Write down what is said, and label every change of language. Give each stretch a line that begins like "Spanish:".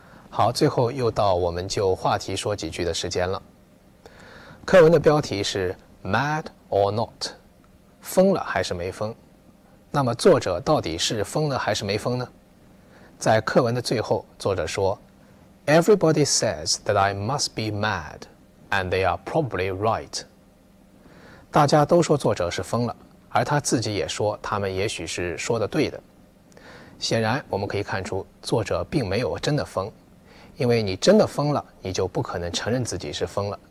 Chinese: 好，最后又到我们就话题说几句的时间了。课文的标题是
English: Mad or Not，
Chinese: 疯了还是没疯。那么作者到底是疯了还是没疯呢？在课文的最后，作者说
English: Everybody says that I must be mad, and they are probably right.
Chinese: 大家都说作者是疯了，而他自己也说他们也许是说的对的。显然我们可以看出作者并没有真的疯，因为你真的疯了，你就不可能承认自己是疯了。